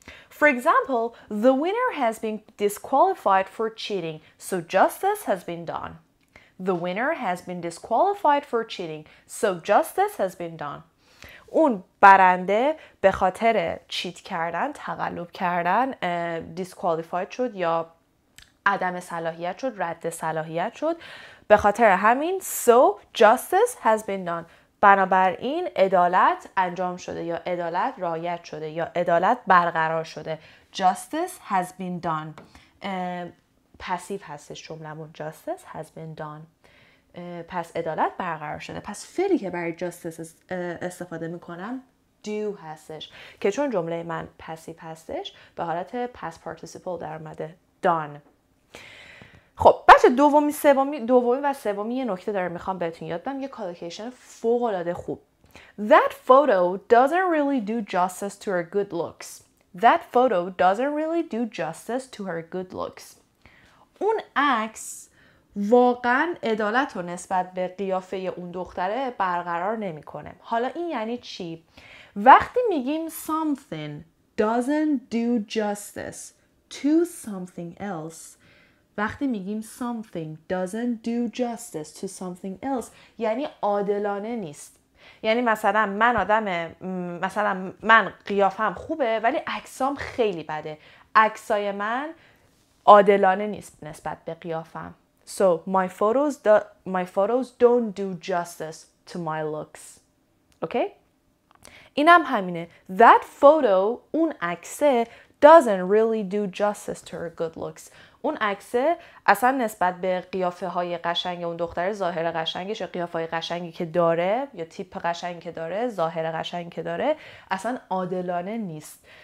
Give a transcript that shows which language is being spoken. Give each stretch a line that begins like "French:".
English: For example, the winner has been disqualified for cheating, so justice has been done. The winner has been disqualified for cheating, so justice has been done.
Persian: اون برنده به خاطر چیت کردن، تقلب کردن، دیسکوالیفاید شد یا عدم صلاحیت شد، رد صلاحیت شد. به خاطر همین
English: so justice has been done.
Persian: بنابراین عدالت انجام شده یا عدالت رعایت شده یا عدالت برقرار شده.
English: Justice has been done.
Persian: پسیو هستش جملمون.
English: Justice has been done.
Persian: پس عدالت برقرار شده. پس فعلی که برای justice استفاده میکنم do هستش. که چون جمله من پسیو هستش به حالت past participle در اومده.
English: Done.
Persian: خب بچه دومی و سومی یه نکته داره میخوام بهتون یاد بدم، یه کالوکیشن فوق العاده خوب.
English: That photo doesn't really do justice to her good looks. That photo doesn't really do justice to her good looks.
Persian: اون عکس واقعا عدالت رو نسبت به قیافه اون دختره برقرار نمیکنه. حالا این یعنی چی؟ وقتی میگیم
English: something doesn't do justice to something else،
Persian: وقتی میگیم something doesn't do justice to something else یعنی عادلانه نیست. یعنی مثلا من آدمه، مثلا من قیافم خوبه ولی عکسام خیلی بده، عکسای من عادلانه نیست نسبت به قیافم.
English: So my photos don't do justice to my looks.
Persian: Okay؟ اینم همینه.
English: That photo،
Persian: اون عکسه،
English: doesn't really do justice to her good looks.
Persian: اون عکسه اصلا نسبت به قیافه های قشنگ اون دختر، ظاهر قشنگش یا قیافه های قشنگی که داره یا تیپ قشنگی که داره، ظاهر قشنگی که داره، اصلا عادلانه نیست.